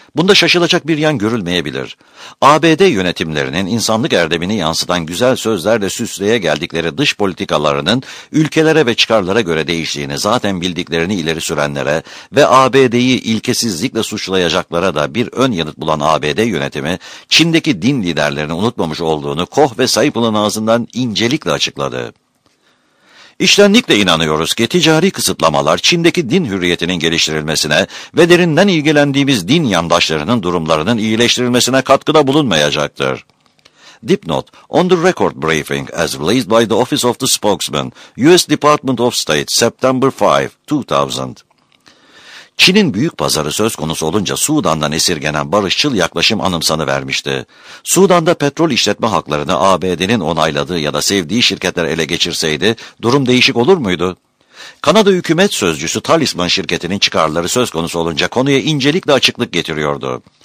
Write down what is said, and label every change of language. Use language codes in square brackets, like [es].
[tr] Bunda şaşılacak bir yan görülmeyebilir. ABD yönetimlerinin insanlık erdemini yansıtan güzel sözlerle süsleye geldikleri dış politikalarının ülkelere ve çıkarlara göre değiştiğini zaten bildiklerini ileri sürenlere ve ABD'yi ilkesizlikle suçlayacaklara da bir ön yanıt bulan ABD yönetimi, Çin'deki din liderlerini unutmamış olduğunu Koh ve Saipul'un ağzından incelikle açıkladı. İşlenlikle inanıyoruz ki ticari kısıtlamalar Çin'deki din hürriyetinin geliştirilmesine ve derinden ilgilendiğimiz din yandaşlarının durumlarının iyileştirilmesine katkıda bulunmayacaktır. [en] Dipnot, on the record briefing as released by the Office of the Spokesman, U.S. Department of State, September 5, 2000. [tr] Çin'in büyük pazarı söz konusu olunca Sudan'dan esirgenen barışçıl yaklaşım anımsanıvermişti. Sudan'da petrol işletme haklarını ABD'nin onayladığı ya da sevdiği şirketler ele geçirseydi durum değişik olur muydu? Kanada hükümet sözcüsü Talisman şirketinin çıkarları söz konusu olunca konuya incelikle açıklık getiriyordu.